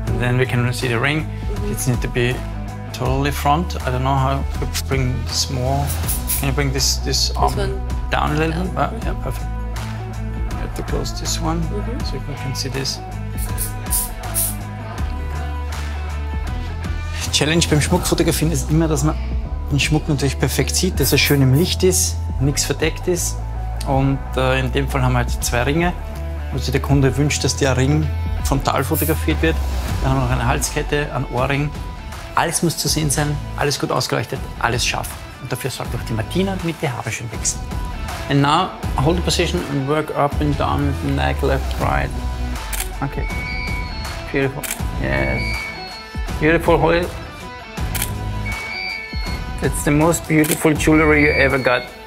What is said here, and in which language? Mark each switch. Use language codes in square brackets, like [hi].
[en] And then we can see the ring. It's need to be totally front. I don't know how to bring this more. Can you bring this arm down a little bit? Yeah, perfect. You have to close this one so we can see this. [de] Challenge beim Schmuckfotografieren ist immer, dass man den Schmuck natürlich perfekt sieht, dass er schön im Licht ist, nichts verdeckt ist. Und in dem Fall haben wir jetzt zwei Ringe. Und sich der Kunde wünscht, dass der Ring frontal fotografiert wird. Dann haben wir noch eine Halskette, ein Ohrring. Alles muss zu sehen sein, alles gut ausgeleuchtet, alles scharf. Und dafür sorgt auch die Martina, damit die Haare schön wachsen. [en] And now, hold the position and work up and down with the neck, left, right. Okay. Beautiful. Yes. Beautiful, hold it. That's the most beautiful jewelry you ever got.